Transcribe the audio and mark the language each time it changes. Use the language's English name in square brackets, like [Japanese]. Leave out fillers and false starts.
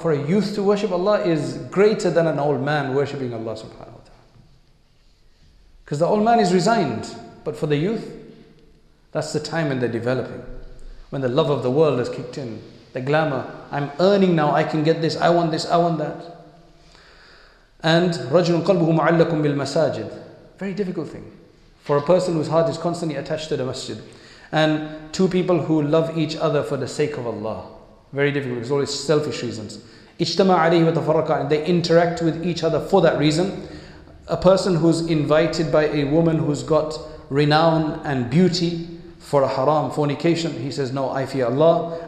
[English] For a youth to worship Allah is greater than an old man worshipping Allah subhanahu wa ta'ala. Because the old man is resigned. But for the youth, that's the time when they're developing. When the love of the world has kicked in. The glamour. I'm earning now. I can get this. I want this. I want that. [Arabic] And رَجُلٌ قَلْبُهُ مُعَلَّكٌ بِالْمَسَاجِدِ. [English] Very difficult thing. For a person whose heart is constantly attached to the masjid. And two people who love each other for the sake of Allah. Very difficult, because always selfish reasons. [Arabic] اجتمع عليه وتفرق عليه. [English] They interact with each other for that reason. A person who's invited by a woman who's got renown and beauty for a haram, fornication, he says, no, I fear Allah.